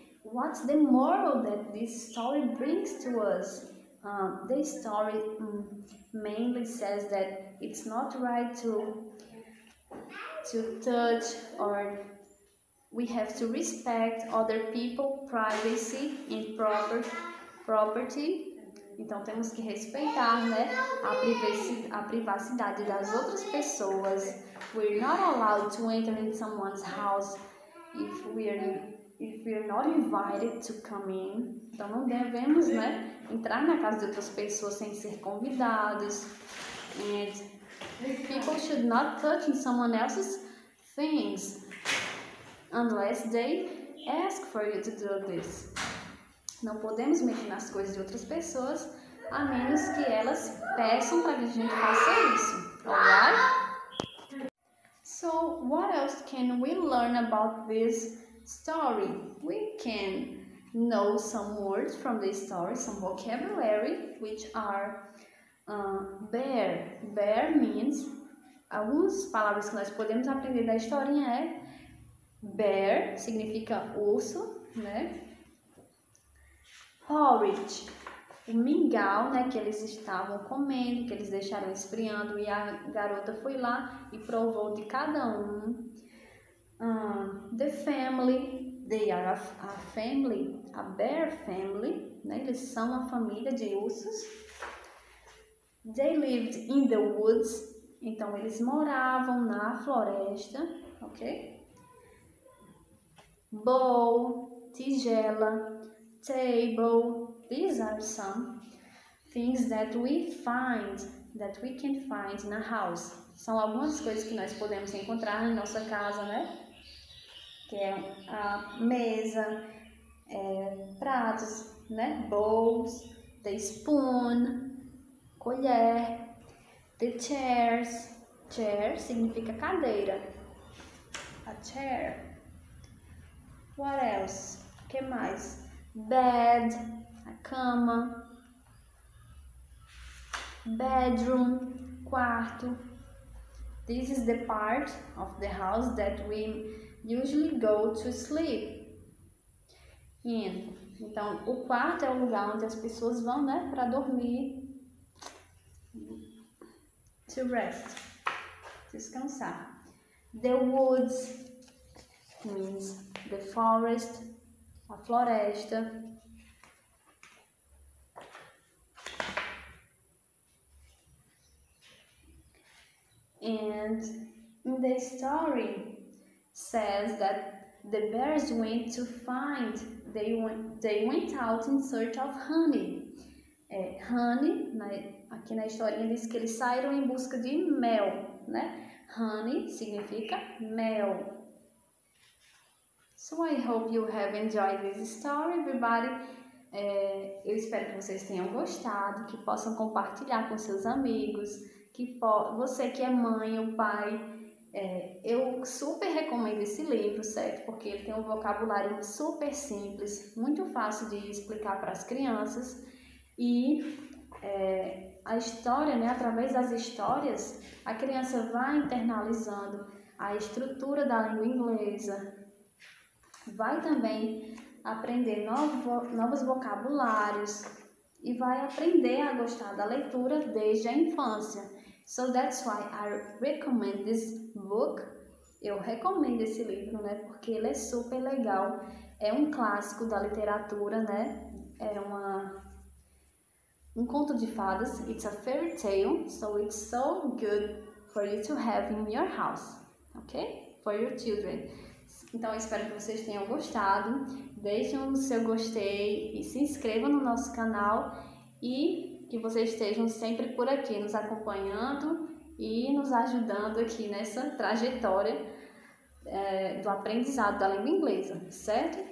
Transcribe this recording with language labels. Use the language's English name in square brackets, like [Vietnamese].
[English] What's the moral that this story brings to us? This story mainly says that it's not right to touch, or we have to respect other people's privacy and property. [Portuguese] Então temos que respeitar, né, a privacidade das outras pessoas. [English] We're not allowed to enter in someone's house if we're not invited to come in. [Portuguese] Então não devemos, né, entrar na casa de outras pessoas sem ser convidados. [English] And people should not touch in someone else's things unless they ask for you to do this. [Portuguese] Não podemos mexer nas coisas de outras pessoas a menos que elas peçam para que a gente faça isso. [English] Alright? So, what else can we learn about this story? We can know some words from the story, some vocabulary, which are bear. Bear means, [Portuguese] algumas palavras que nós podemos aprender da historinha é bear, significa urso, né? Porridge, o mingau, né, que eles estavam comendo, que eles deixaram esfriando, e a garota foi lá e provou de cada um. [English] The family, they are a family, a bear family, [Portuguese] né, eles são uma família de ursos. [English] They lived in the woods, [Portuguese] então eles moravam na floresta, [English] ok? Bowl, tigela, table, these are some things that we find, that we can find in a house. [Portuguese] São algumas coisas que nós podemos encontrar em nossa casa, né? Que é a mesa, pratos, né? [English] Bowls, the spoon, colher, the chairs. [Portuguese] Chair significa cadeira. [English] A chair. What else? [Portuguese] O que mais? Bed, a cama. Bedroom, quarto. [English] This is the part of the house that we usually go to sleep in. [Portuguese] Então, o quarto é o lugar onde as pessoas vão, né, para dormir. [English] To rest, descansar. The woods means the forest, [Portuguese] a floresta. [English] And in the story says that the bears went to find, they went out in search of honey. [Portuguese] Honey, aqui na historinha diz que eles saíram em busca de mel, né? Honey significa mel. [English] So I hope you have enjoyed this story, everybody. [Portuguese] Eu espero que vocês tenham gostado, que possam compartilhar com seus amigos, que você que é mãe ou pai, eu super recomendo esse livro, certo? Porque ele tem um vocabulário super simples, muito fácil de explicar para as crianças. E a história, né, através das histórias, a criança vai internalizando a estrutura da língua inglesa, vai também aprender novos vocabulários e vai aprender a gostar da leitura desde a infância. [English] So that's why I recommend this book. [Portuguese] Eu recomendo esse livro, né, porque ele é super legal. É um clássico da literatura, né? É um conto de fadas. [English] It's a fairy tale, so it's so good for you to have in your house, ok? For your children. [Portuguese] Então, espero que vocês tenham gostado. Deixem o seu gostei e se inscrevam no nosso canal. E que vocês estejam sempre por aqui, nos acompanhando e nos ajudando aqui nessa trajetória do aprendizado da língua inglesa, certo?